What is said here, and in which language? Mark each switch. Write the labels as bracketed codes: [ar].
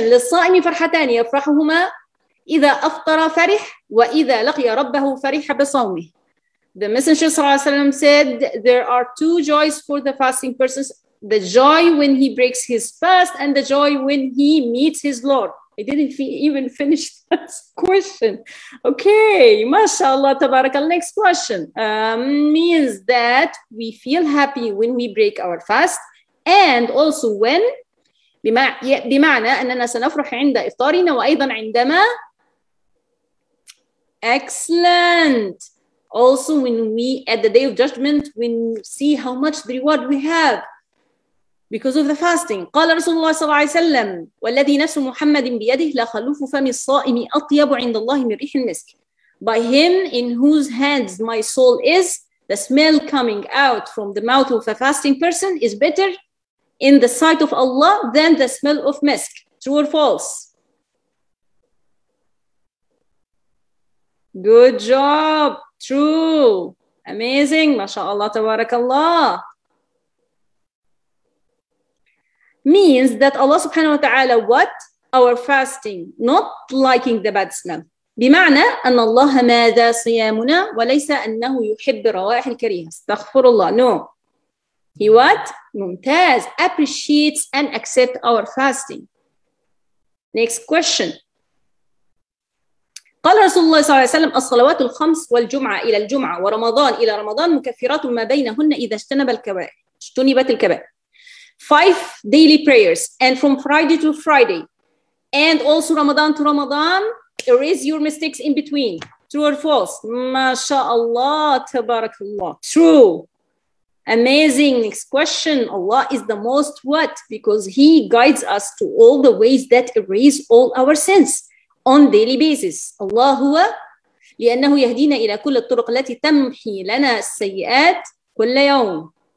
[ar] للصائم فرحتان يفرحهما إذا أفطر فرح وإذا لقي ربه فرح بصومه. [en] The Messenger صلى الله عليه وسلم said there are two joys for the fasting persons: the joy when he breaks his fast and the joy when he meets his Lord. I didn't even finish that question. Okay, mashallah, tabarakallah. Next question. Means that we feel happy when we break our fast and also when [ar] بمعنى أننا سنفرح عند إفطارنا وأيضا عندما [en] excellent also when we at the day of judgment when we see how much the reward we have because of the fasting. [ar] قال رسول الله صلى الله عليه وسلم والذي نفس محمد بيده لا خلوف فم الصائم أطيب عند الله من ريح المسك. [en] By him in whose hands my soul is, the smell coming out from the mouth of a fasting person is better in the sight of Allah than the smell of musk. True or false? Good job. True. Amazing. MashaAllah, tabarakallah. Means that Allah subhanahu wa ta'ala, what? Our fasting, not liking the bad smell. [ar] بمعنى أن الله ماذا صيامنا وليس أنه يحب الروائح الكريهة. استغفر الله. [en] No. He what? Mumtaz appreciates and accepts our fasting. Next question. [ar] قال رسول الله صلى الله عليه وسلم الصلوات الخمس والجمعة إلى الجمعة ورمضان إلى رمضان مكفرات ما بينهن إذا اجتنبت الكبائر. [en] Five daily prayers and from Friday to Friday and also Ramadan to Ramadan erase your mistakes in between. True or false? [ar] ما شاء الله تبارك الله. [en] True. Amazing. Next question. Allah is the most what? Because He guides us to all the ways that erase all our sins on daily basis. [ar] Allah هو لأنه يهدينا إلى كل الطرق التي تمحي لنا السيئات كل يوم.